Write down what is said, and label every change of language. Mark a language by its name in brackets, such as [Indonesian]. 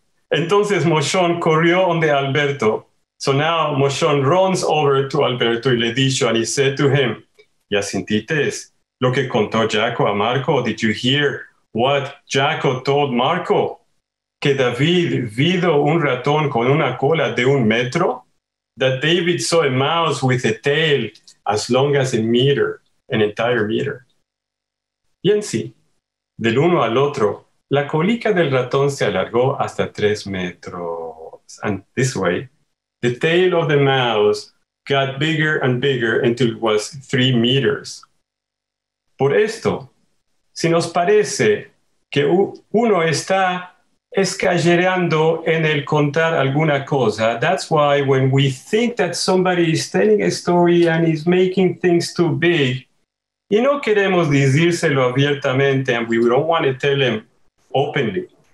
[Ladino] Entonces, Moshón corrió donde Alberto. [English] So now, Moshón runs over to Alberto [Ladino] y le dijo, [English] and he said to him, [Ladino] ¿Ya sentiste lo que contó Jaco a Marco? [English] Did you hear what Jaco told Marco? [Ladino] Que David vido un ratón con una cola de un metro? [English] That David saw a mouse with a tail as long as a meter, an entire meter. [Ladino] Y en sí, del uno al otro, la colica del ratón se alargó hasta 3 meters. [English] And this way, the tail of the mouse got bigger and bigger until it was 3 meters. [Ladino] Por esto, si nos parece que uno está escayereando en el contar alguna cosa, [English] that's why when we think that somebody is telling a story and is making things too big, [Ladino] y no queremos decírselo abiertamente, [English] and we don't want to tell him openly.